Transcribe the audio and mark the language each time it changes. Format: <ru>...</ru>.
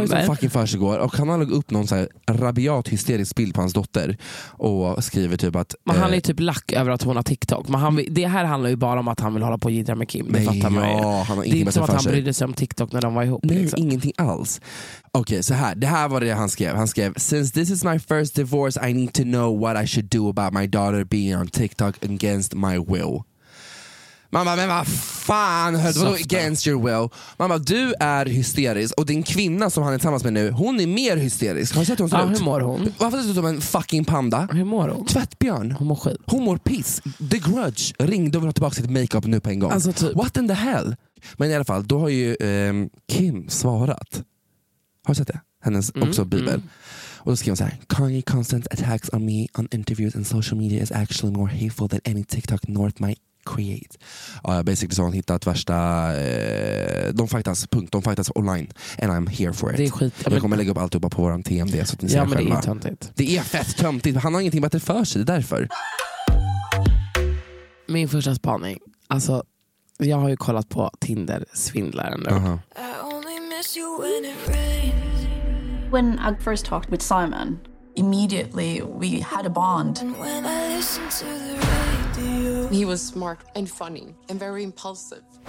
<sv>Vad är det som fucking försiggår? Och han har lagt upp någon så här rabiat hysterisk bild på hans dotter. Och skriver typ att... Men han är typ lack över att hon har TikTok. Men han, det här handlar ju bara om att han vill hålla på och gidra med Kim. Det fattar ja, man ju. Han det är inte som att han brydde sig om TikTok när de var ihop. Nej, liksom. Ingenting alls. Okej, okay, så här. Det här var det han skrev. Han skrev,</sv> <en>since this is my first divorce, I need to know what I should do about my daughter being on TikTok against my will.</en> <sv>Mamma, men vad fan? Vadå</sv> <en>against your will?</en> <sv>Mamma, du är hysterisk. Och din kvinna som han är tillsammans med nu, hon är mer hysterisk. Har du sett hur hon ser ut? Hur mår hon? Varför ser du ut som en fucking panda? Hur mår hon? Tvättbjörn. Hon mår skit. Hon mår piss. The Grudge. Ring, då vill ha tillbaka sitt makeup nu på en gång. Alltså typ.</sv> <en>What in the hell?</en> <sv>Men i alla fall, då har ju Kim svarat. Har du sett det? Hennes också bibel. Och då skriver hon så här,</sv> <en>Kanye constant attacks on me on interviews and social media is actually more hateful than any TikTok North might create.</en> <sv>Ja, basically så har hon hittat värsta, de fightas, punkt, de fightas online.</sv> <en>And I'm here for it.</en> <sv>Det är skit. Jag kommer lägga upp allt uppe på våran TMD så att ni ja, ser men själva. Det är töntigt. Det är fett töntigt. Han har ingenting bättre för sig, det är därför. Min första spaning. Alltså, jag har ju kollat på Tinder-svindlaren nu.</sv> <en>I only miss you when it rains. When I first talked with Simon, immediately we had a bond. When I listen to the radio. He was smart and funny and very impulsive.</en>